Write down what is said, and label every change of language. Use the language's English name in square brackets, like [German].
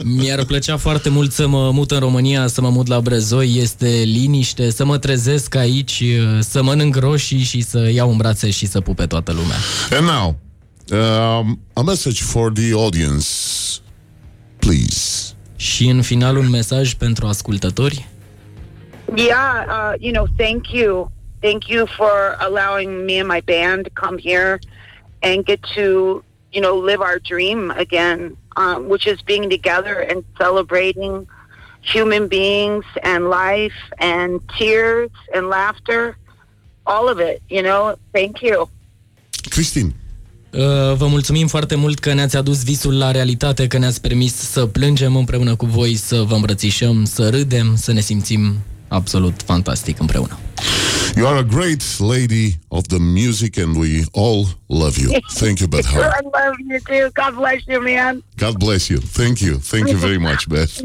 [Romanian] Mi-ar plăcea foarte mult să mă mut în România, să mă mut la Brezoi, este liniște, să mă trezesc aici, să mănânc roșii și să iau în brațe și să pupe toată lumea. [English] And now, a message for the audience, please. [Romanian] Și în final un mesaj pentru ascultători. [English] Yeah, you know, thank you. Thank you for allowing me and my band to come here and get to, you know, live our dream again, which is being together and celebrating human beings and life and tears and laughter, all of it, you know. Thank you. Christine. [Romanian] Vă mulțumim foarte mult că ne-ați adus visul la realitate, că ne-ați permis să plângem împreună cu voi, să vă îmbrățișăm, să râdem, să ne simțim absolut fantastic împreună. [English] You are a great lady of the music and we all love you. Thank you, Beth Hart. I love you too. God bless you, man. God bless you. Thank you. Thank you very much, Beth.